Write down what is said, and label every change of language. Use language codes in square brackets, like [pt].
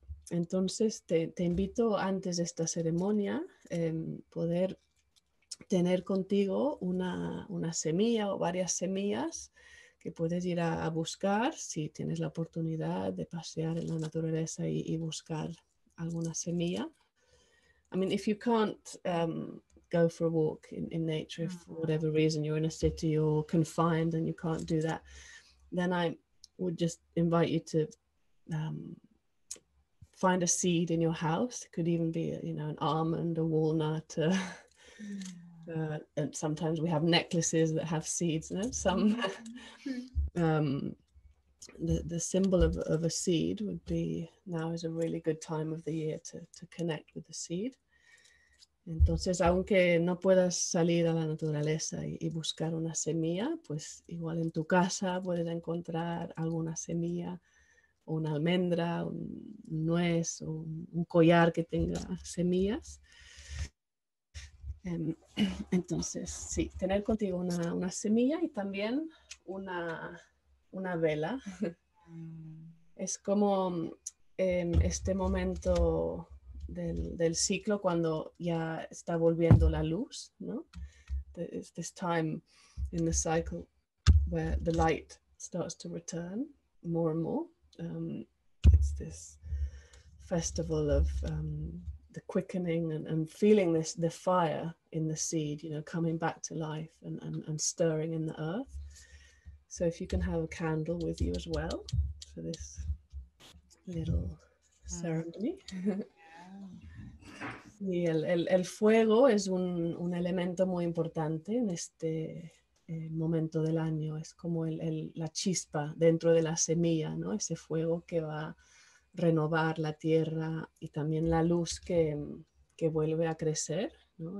[es] Entonces te invito antes de esta ceremonia poder tener contigo una semilla o varias semillas que puedes ir a buscar si tienes la oportunidad de pasear en la naturaleza y buscar alguna semilla. [en] I mean, if you can't go for a walk in nature, if for whatever reason you're in a city or confined and you can't do that, then I would just invite you to find a seed in your house. It could even be, an almond, a walnut. And sometimes we have necklaces that have seeds in them. Some the symbol of a seed would be, now is a really good time of the year to connect with the seed. [es] Entonces, aunque no puedas salir a la naturaleza y buscar una semilla, pues igual en tu casa puedes encontrar alguna semilla, una almendra, un nuez o un collar que tenga semillas. Entonces, sí, tener contigo una semilla y también una vela. Es como este momento del ciclo cuando ya está volviendo la luz, ¿no? [en] It's this time in the cycle where the light starts to return more and more. It's this festival of the quickening and feeling this the fire in the seed, coming back to life and stirring in the earth. So if you can have a candle with you as well for this little ceremony. [es] Y el fuego es un elemento muy importante en este momento del año. Es como la chispa dentro de la semilla, ¿no? Ese fuego que va a renovar la tierra y también la luz que vuelve a crecer, ¿no?